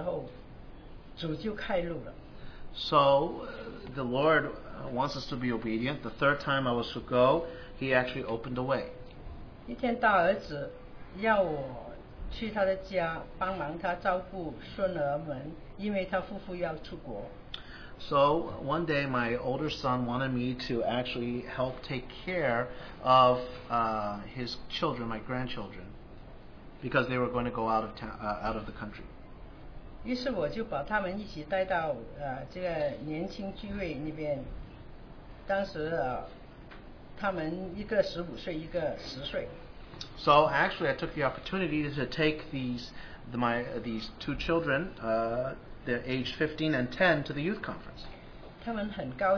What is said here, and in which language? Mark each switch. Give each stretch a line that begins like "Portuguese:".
Chinese: 他知道我们的感觉，所以在第三次我要去参与的时候，主就开路了。
English: So the Lord wants us to be obedient. The third time I was to go, He actually opened the way.
Chinese: 一天大儿子要我去他的家帮忙他照顾孙儿们，因为他夫妇要出国。
English: So one day my older son wanted me to actually help take care of his children, my grandchildren, because they were going to go out of town, out of the country.
Chinese: 于是我就把他们一起带到 这个年轻聚会那边，当时 他们一个15岁，一个10岁。
English: So actually, I took the opportunity to take these two children, they're aged 15 and 10, to the youth conference.